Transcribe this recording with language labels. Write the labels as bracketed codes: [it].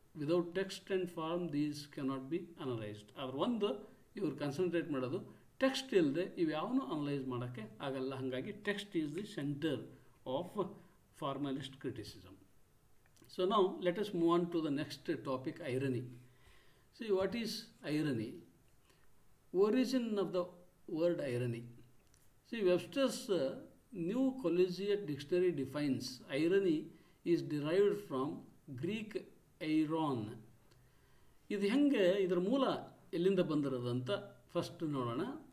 [en] Without text and form these cannot be analysed. [kn] ಆದ್ರೆ ಒಂದು ಇವರು ಕಾನ್ಸಂಟ್ರೇಟ್ ಮಾಡೋದು ಟೆಕ್ಸ್ಟ್ ಇಲ್ಲದೆ ಇವ್ಯಾವನ್ನೂ ಅನಲೈಸ್ ಮಾಡೋಕ್ಕೆ ಆಗಲ್ಲ. ಹಾಗಾಗಿ [en] Text is the centre of formalist criticism. So now let us move on to the next topic, irony. See what is irony? Origin of the word irony. See, Webster's new collegiate dictionary defines irony is derived from Greek iron. [kn] ಇದು ಹೆಂಗೆ, ಇದರ ಮೂಲ ಎಲ್ಲಿಂದ ಬಂದಿರೋದು ಅಂತ first ನೋಡೋಣ.